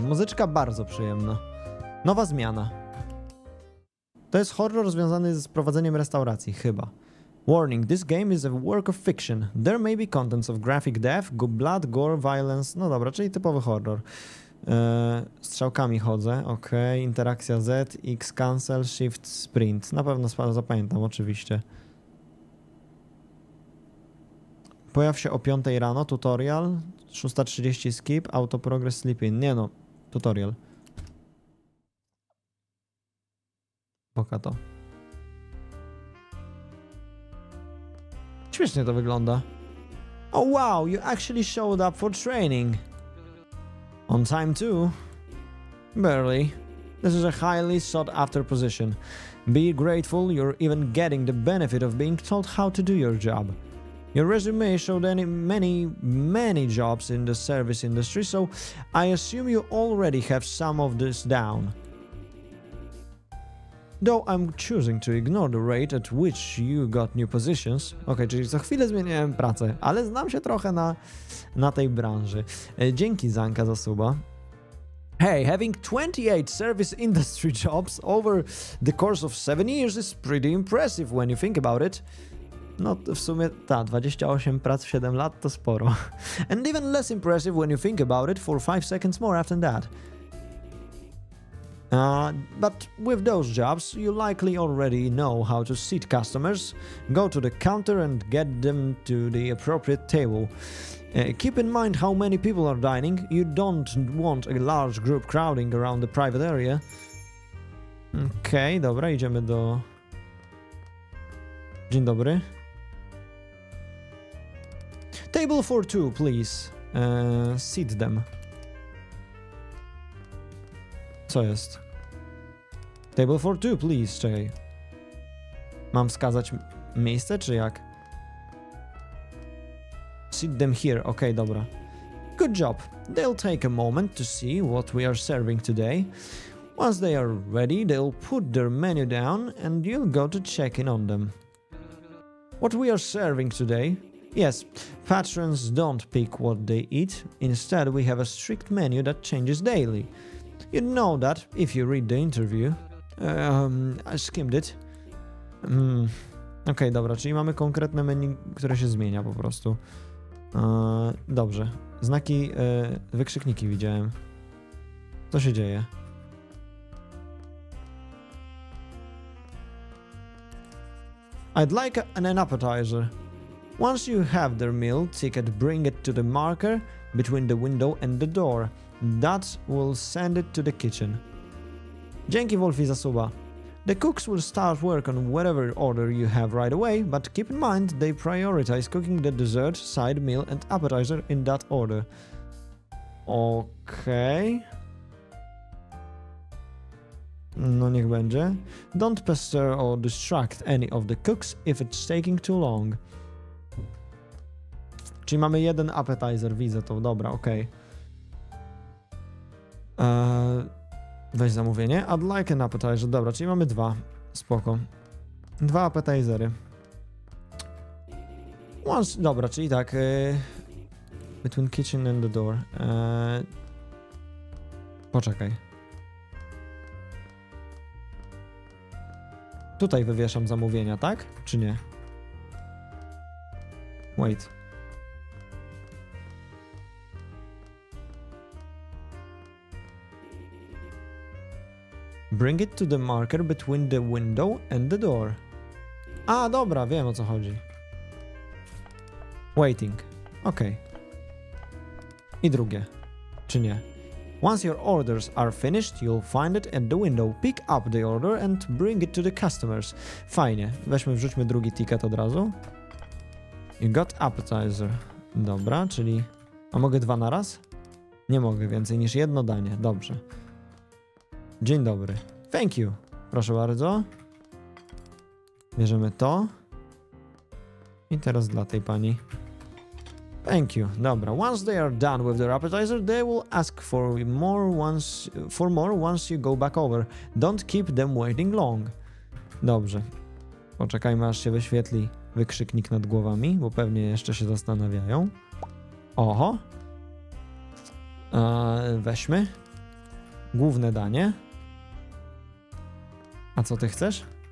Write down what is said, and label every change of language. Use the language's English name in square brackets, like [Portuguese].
[Polish] Muzyczka bardzo przyjemna. Nowa zmiana. To jest horror związany z prowadzeniem restauracji, chyba. [English] Warning, this game is a work of fiction. There may be contents of graphic death, blood, gore, violence. [Polish] No dobra, czyli typowy horror. Strzałkami chodzę, okej. Okay. Interakcja Z, X, cancel, shift, sprint. Na pewno zapamiętam, oczywiście. Pojaw się o 5 rano, tutorial. 6.30 skip, autoprogress, sleeping. Nie no, tutorial. Poka to. Śmiesznie to wygląda. [English] Oh wow, you actually showed up for training. On time too. Barely. This is a highly sought after position. Be grateful you're even getting the benefit of being told how to do your job. Your resume showed many jobs in the service industry, so I assume you already have some of this down. Though I'm choosing to ignore the rate at which you got new positions. [Polish] Okej, okay, czyli co chwilę zmieniłem pracę, ale znam się trochę na tej branży. Dzięki Zanka za suba. [English] Hey, having 28 service industry jobs over the course of 7 years is pretty impressive when you think about it. [Polish] No w sumie, ta, 28 prac w 7 lat to sporo. [English] And even less impressive when you think about it for 5 seconds more after that. But with those jobs, you likely already know how to seat customers, go to the counter and get them to the appropriate table. Keep in mind how many people are dining, you don't want a large group crowding around the private area. [Polish] Okej, dobra, idziemy do... Dzień dobry. [English] Table for two, please. Seat them. [Polish] Co jest? [English] Table for two, please. [Polish] Czekaj. Mam wskazać miejsce, czy jak? [English] Seat them here. [Polish] Okej, dobra. [English] Good job. They'll take a moment to see what we are serving today. Once they are ready, they'll put their menu down and you'll go to check in on them. What we are serving today? Yes, patrons don't pick what they eat. Instead, we have a strict menu that changes daily. You know that if you read the interview. I skimmed it. [Polish] Okej, dobra, czyli mamy konkretne menu, które się zmienia po prostu. Dobrze. Znaki, wykrzykniki widziałem. Co się dzieje? [English] I'd like an appetizer. Once you have their meal ticket, bring it to the marker between the window and the door. That will send it to the kitchen. [Polish] Dzięki Wolfie za suba. [English] The cooks will start work on whatever order you have right away, but keep in mind they prioritize cooking the dessert, side meal and appetizer in that order. [Polish] Okej. No niech będzie. [English] Don't pester or distract any of the cooks if it's taking too long. [Polish] Czyli mamy jeden appetizer, widzę to, dobra, okej. Okay. Weź zamówienie. [English] I'd like an appetizer, [Polish] dobra, czyli mamy dwa. Spoko. Dwa appetizery. Once, dobra, czyli tak. [English] Between kitchen and the door. [Polish] Poczekaj. Tutaj wywieszam zamówienia, tak? Czy nie? [English] Wait. Bring it to the marker between the window and the door. [Polish] A, dobra, wiem o co chodzi. Waiting. Okej. Okay. I drugie. Czy nie? [English] Once your orders are finished, you'll find it at the window. Pick up the order and bring it to the customers. [Polish] Fajnie. Weźmy, wrzućmy drugi ticket od razu. [English] You got appetizer. [Polish] Dobra, czyli... A mogę dwa na raz? Nie mogę więcej niż jedno danie. Dobrze. Dzień dobry. [English] Thank you. [Polish] Proszę bardzo. Bierzemy to. I teraz dla tej pani. [English] Thank you. [Polish] Dobra. [English] Once they are done with their appetizer, they will ask for more once you go back over. Don't keep them waiting long. [Polish] Dobrze. Poczekajmy, aż się wyświetli wykrzyknik nad głowami, bo pewnie jeszcze się zastanawiają. Oho. Weźmy główne danie. A co ty chcesz?